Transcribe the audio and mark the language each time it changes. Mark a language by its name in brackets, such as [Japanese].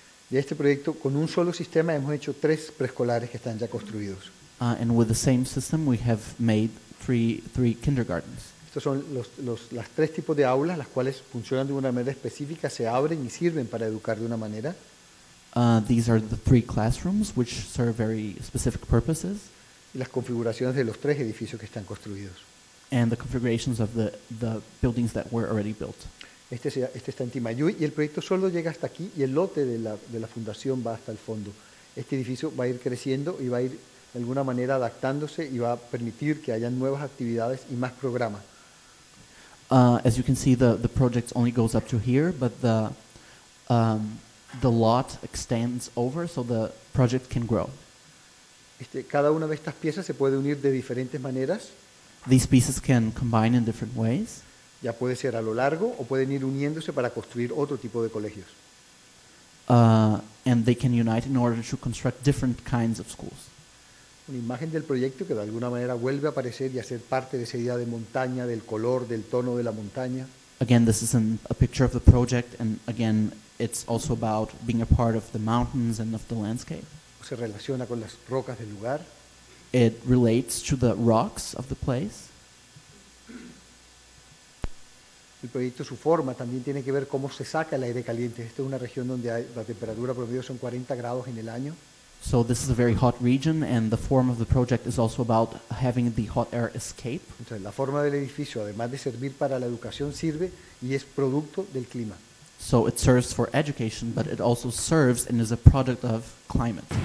[Spanish] Y este proyecto, con un solo sistema, hemos hecho tres preescolares que están ya construidos. [English] And with the same system, we have made three kindergartens. [Spanish] Estos son las tres tipos de aulas, las cuales funcionan de una manera específica, se abren y sirven para educar de una manera. [English] These are the three classrooms, which serve very specific purposes. [Spanish] Y las configuraciones de los tres edificios que están construidos. [English] And the configurations of the buildings that were already built. [Spanish] Este está en Timayuy, y el proyecto solo llega hasta aquí, y el lote de la fundación va hasta el fondo. Este edificio va a ir creciendo y va a ir de alguna manera adaptándose y va a permitir que haya nuevas actividades y más programas. [English] As you can see, the project only goes up to here, but the lot extends over, so the project can grow. [Spanish] Cada una de estas piezas se puede unir de diferentes maneras. [English] These pieces can combine in different ways. [Spanish] Ya puede ser a lo largo o pueden ir uniéndose para construir otro tipo de colegios. [English] And they can unite in order to construct different kinds of schools. [Spanish] Una imagen del proyecto que de alguna manera vuelve a aparecer y a ser parte de esa idea de montaña, del color, del tono de la montaña. [English] Again, this is a picture of the project, and again, it's also about being a part of the mountains and of the landscape. [Spanish] Se relaciona con las rocas del lugar. [English] It relates to the rocks of the place. [Spanish] El proyecto, su forma, también tiene que ver cómo se saca el aire caliente. Esta es una región donde la temperatura promedio son 40 grados en el año. [English] So this is a very hot region, and the form of the project is also about having the hot air escape. [Spanish] Entonces, la forma del edificio, además de servir para la educación, sirve y es producto del clima. [English] So it serves for education, but it also serves and is a product of climate.